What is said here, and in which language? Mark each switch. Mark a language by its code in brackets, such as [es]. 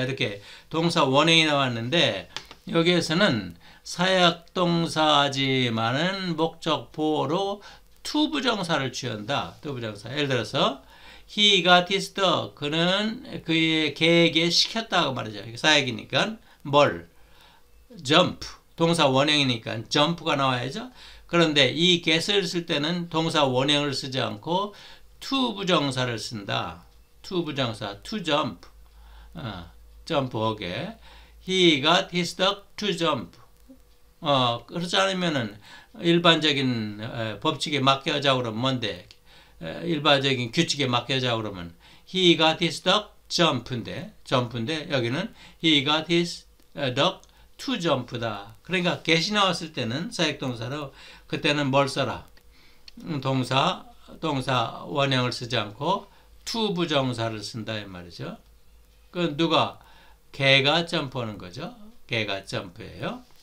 [ko] 이렇게 동사 원형이 나왔는데 여기에서는 사역동사지만은 목적 보호로 투부정사를 취한다. 투부정사. 예를 들어서 [en] He got his dog. [ko] 그는 그의 개에게 시켰다고 말하죠. 사역이니까 뭘? Jump. 동사 원형이니까 jump가 나와야죠. 그런데 이 get을 쓸 때는 동사 원형을 쓰지 않고 to 부정사를 쓴다. [en] to 부정사, to jump. jump 하게. He got his dog to jump. [ko] 그렇지 않으면은 일반적인 법칙에 맡겨자 그러면 뭔데? 일반적인 규칙에 맡겨자 그러면 [en] he got his dog jump인데 [ko] 여기는 [en] he got his dog to jump다. [ko] 그러니까 get이 나왔을 때는 사역동사로 그때는 뭘 써라? 동사 원형을 쓰지 않고 to 부정사를 쓴다 이 말이죠. 그 누가 개가 점프하는 거죠. 개가 점프예요.